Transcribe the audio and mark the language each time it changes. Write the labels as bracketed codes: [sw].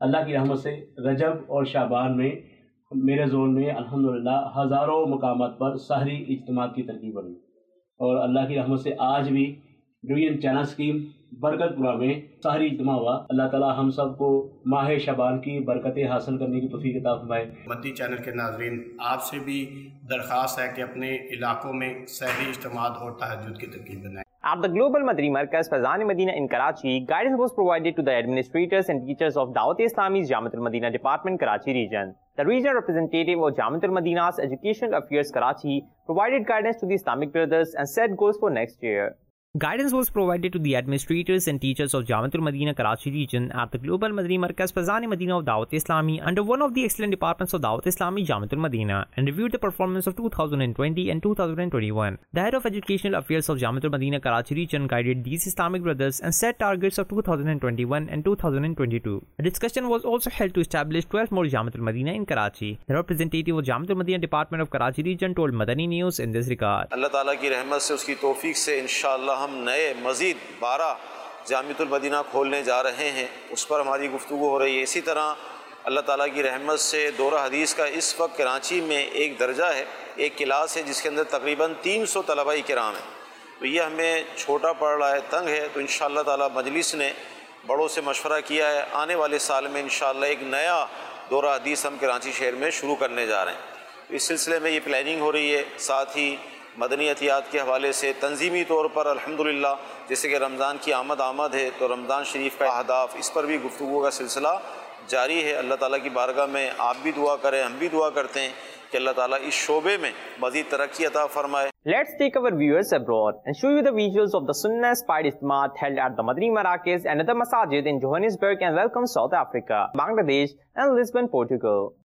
[ur] اللہ کی رحمت سے رجب اور شعبان میں میرے زون میں الحمدللہ ہزاروں مقامات پر سحری اجتماع کی ترتیب بنی، اور اللہ کی رحمت سے آج بھی ڈویژن چینل اسکیم برکت پورا میں سحری اجتماع ہوا۔ اللہ تعالی ہم سب کو ماہ شعبان کی برکتیں حاصل کرنے کی توفیق عطا فرمائے۔ مدنی چینل کے ناظرین، آپ سے بھی درخواست ہے کہ اپنے علاقوں میں سحری اجتماع اور تہجد کی ترتیب بنائیں۔ [en] At the Global Madri Markaz Faizan Madina in Karachi, guidance was provided to the administrators and teachers of Dawat Islami's Jamiatul Madina Department Karachi region. The regional representative of Jamiatul Madina's Educational Affairs Karachi provided guidance to the Islamic Brothers and set goals for next year. Guidance was provided to the administrators and teachers of Jamiatul Madina Karachi region at the Global Madri Markaz Faizan Madina of Dawat Islami under one of the excellent departments of Dawat Islami Jamiatul Madina, and reviewed the performance of 2020 and 2021. The head of educational affairs of Jamiatul Madina Karachi region guided these Islamic brothers and set targets of 2021 and 2022. A discussion was also held to establish 12 more Jamiatul Madina in Karachi. The representative of Jamiatul Madina Department of Karachi region told Madani News in this regard. [ur] Allah Taala ki rehmat se uski taufeeq se inshaallah ہم نئے مزید 12 جامعۃ المدینہ کھولنے جا رہے ہیں، اس پر ہماری گفتگو ہو رہی ہے۔ اسی طرح اللہ تعالیٰ کی رحمت سے دورہ حدیث کا اس وقت کراچی میں ایک درجہ ہے، ایک کلاس ہے جس کے اندر تقریباً 300 طلباء کرام ہیں، تو یہ ہمیں چھوٹا پڑ رہا ہے، تنگ ہے، تو انشاءاللہ تعالیٰ مجلس نے بڑوں سے مشورہ کیا ہے، آنے والے سال میں انشاءاللہ ایک نیا دورہ حدیث ہم کراچی شہر میں شروع کرنے جا رہے ہیں۔ اس سلسلے میں یہ پلاننگ ہو رہی ہے، ساتھ ہی مدنی احتیاط کے حوالے سے تنظیمی طور پر الحمدللہ جیسے کہ رمضان کی آمد آمد ہے تو رمضان شریف کا اہداف اس پر بھی گفتگو کا سلسلہ جاری ہے۔ اللہ تعالیٰ کی بارگاہ میں آپ بھی دعا کریں، ہم بھی دعا کرتے ہیں کہ اللہ تعالیٰ اس شعبے میں مزید ترقی عطا فرمائے۔ [en] Let's take our viewers abroad and show you the visuals of the Sunnah inspired Ijtemaat held at the Madani Marrakesh and other masajid in Johannesburg and welcome South Africa, Bangladesh and Lisbon, Portugal.